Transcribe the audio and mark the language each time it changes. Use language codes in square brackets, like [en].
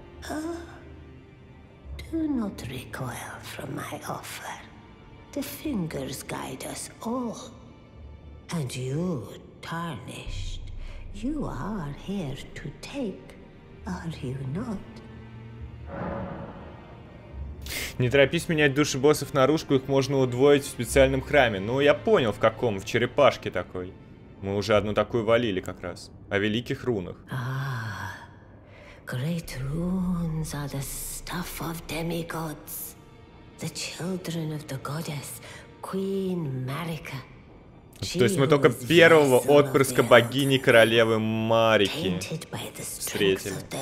[en] Oh, do not recoil from my offer. The fingers guide us all. And you, tarnished, you are here to take, are you not? [ru] Не торопись менять души боссов наружку, их можно удвоить в специальном храме. Ну, я понял, в каком, в черепашке такой. Мы уже одну такую валили как раз. О великих рунах. [en] Ah, great runes are the stuff of demigods. The children of the goddess, Queen Marika. [ru] То есть мы только первого отпрыска богини королевы Марики встретили.